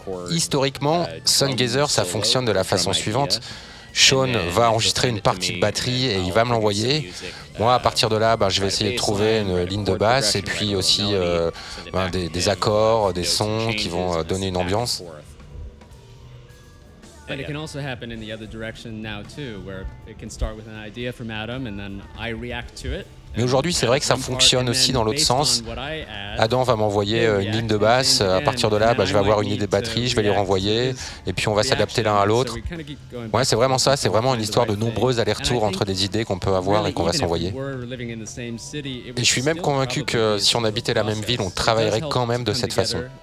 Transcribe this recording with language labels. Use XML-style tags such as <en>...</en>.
<fr>Historiquement, Sungazer, ça fonctionne de la façon suivante. Sean va enregistrer une partie de batterie et il va me l'envoyer. Moi, à partir de là, je vais essayer de trouver une ligne de basse et puis aussi des accords, des sons qui vont donner une ambiance.</fr> <en>But it can also happen in the other direction now too, where it can start with an idea from Adam and then I react to it.</en> <fr>Mais aujourd'hui, c'est vrai que ça fonctionne aussi dans l'autre sens. Adam va m'envoyer une ligne de basse. À partir de là, bah, je vais avoir une idée de batterie, je vais les renvoyer. Et puis, on va s'adapter l'un à l'autre. Ouais, c'est vraiment ça. C'est vraiment une histoire de nombreux allers-retours entre des idées qu'on peut avoir et qu'on va s'envoyer. Et je suis même convaincu que si on habitait la même ville, on travaillerait quand même de cette façon.</fr>